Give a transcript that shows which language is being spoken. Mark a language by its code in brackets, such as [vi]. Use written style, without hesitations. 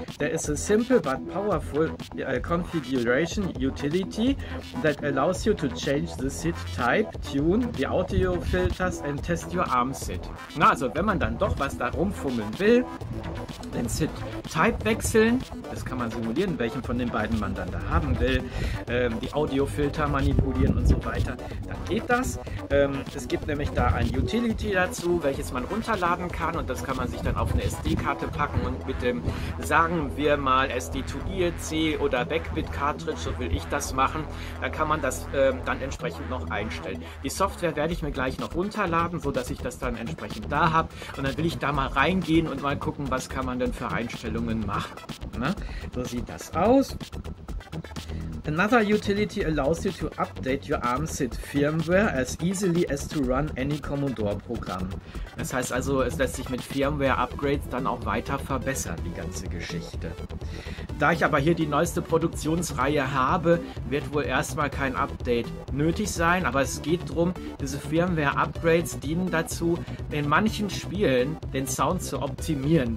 [en] There is a simple but powerful configuration utility that allows you to change the SID type, tune the audio filters and test your ARM SID. [de] Na, also wenn man dann doch was da rumfummeln will, den SID type wechseln, das kann man simulieren, welchen von den beiden man dann da haben will, die Audio Filter manipulieren und so weiter, dann geht das. Es gibt nämlich da ein Utility dazu, welches man runterladen kann und das kann man sich dann auf eine SD-Karte packen und mit dem, sagen wir mal, SD2EC oder Backbit-Cartridge, so will ich das machen, da kann man das dann entsprechend noch einstellen. Die Software werde ich mir gleich noch runterladen, sodass ich das dann entsprechend da habe und dann will ich da mal reingehen und mal gucken, was kann man denn für Einstellungen machen. Ne? So sieht das aus. [en] Another utility allows you to update your ARMSID firmware as easily as to run any Commodore program. [de] Das heißt also, es lässt sich mit Firmware-Upgrades dann auch weiter verbessern, die ganze Geschichte. Da ich aber hier die neueste Produktionsreihe habe, wird wohl erstmal kein Update nötig sein, aber es geht darum, diese Firmware-Upgrades dienen dazu, in manchen Spielen den Sound zu optimieren.